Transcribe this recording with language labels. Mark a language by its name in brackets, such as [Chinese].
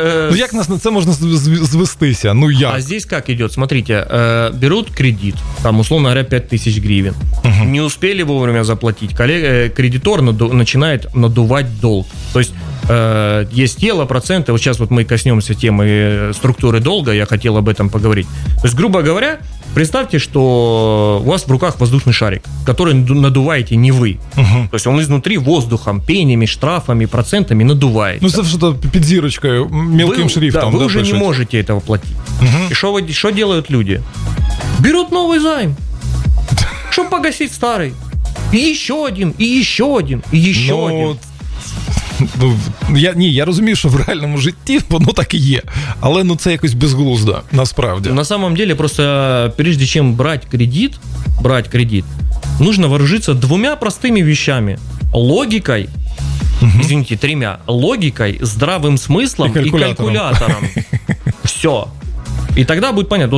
[Ukrainian] Ну, як нас на це можна звестися? Ну, як? [Russian] А здесь как идет? Смотрите, берут кредит, там, условно говоря, 5000 гривен. Не успели вовремя заплатить. Кредитор начинает надувать долг. То есть есть тело, проценты. Вот сейчас вот мы коснемся темы структуры долга. Я хотел об этом поговорить. То есть, грубо говоря, представьте, что у вас в руках воздушный шарик, который надуваете не вы. То есть он изнутри воздухом, пенями, штрафами, процентами надувает. Ну, это что-то пидзирочкой, мелким вы, шрифтом. Да, вы уже не можете этого платить. И что делают люди? Берут новый займ, чтобы погасить старый. И еще один, и еще один, и еще один. [Ukrainian] Я розумію, що в реальному житті воно так і є. Але ну це якось безглуздо, насправді. [Russian] На самом деле, просто прежде чем брать кредит, нужно вооружиться двумя простыми вещами: логикой. Извините, тремя. Логикой, здравым смыслом и калькулятором. Все. И тогда будет понятно.